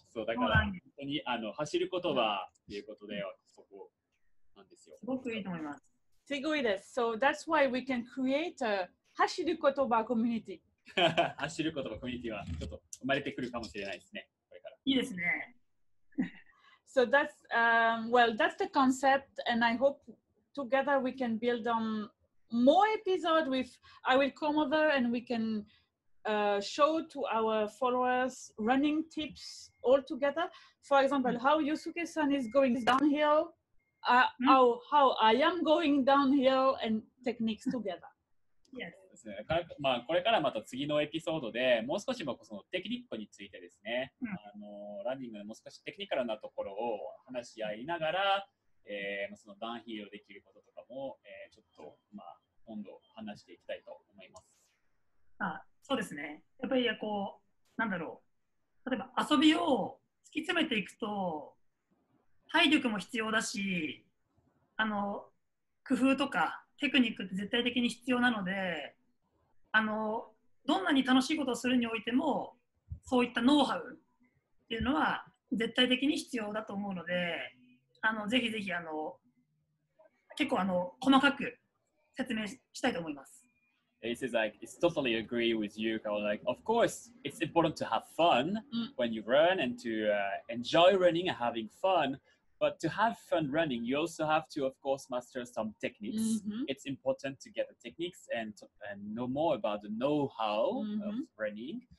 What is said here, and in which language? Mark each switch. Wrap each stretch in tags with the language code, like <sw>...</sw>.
<ja>そう、だから、本当にあの走る言葉ということで、そこなんですよ。すごくいいと思います。すごいです。</ja> <en>So that's why we can create a 走る言葉コミュニティ。</en> <ja>走る言葉コミュニティは、ちょっと生まれてくるかもしれないですね。これから。いいですね。</ja> <en>So that's, well, that's the concept, and I hope together we can build on more episodes with, I will come over and we can show to our followers running tips all together. For example, how Yusuke-san is going downhill, how I am going downhill, and techniques together. Yes.</en> <ja>まあ、これからまた次のエピソードでもう少しもそのテクニックについてですね、うん、あのランニングのもう少しテクニカルなところを話し合いながら、そのダウンヒールできることとかも、ちょっと、まあ、今度話していきたいと思います。あ、そうですね。やっぱりこうなんだろう、例えば遊びを突き詰めていくと体力も必要だし、あの工夫とかテクニックって絶対的に必要なので、あのどんなに楽しいことをするにおいてもそういったノウハウっていうのは絶対的に必要だと思うので、あのぜひぜひあの結構あの細かく説明したいと思います。</ja> <en>He says like, I totally agree with you. Like, of course, it's important to have fun when you run and to、enjoy running and having fun. But to have fun running, you also have to, of course, master some techniques.、Mm-hmm. It's important to get the techniques and know more about the know-how、mm-hmm. of running.</en>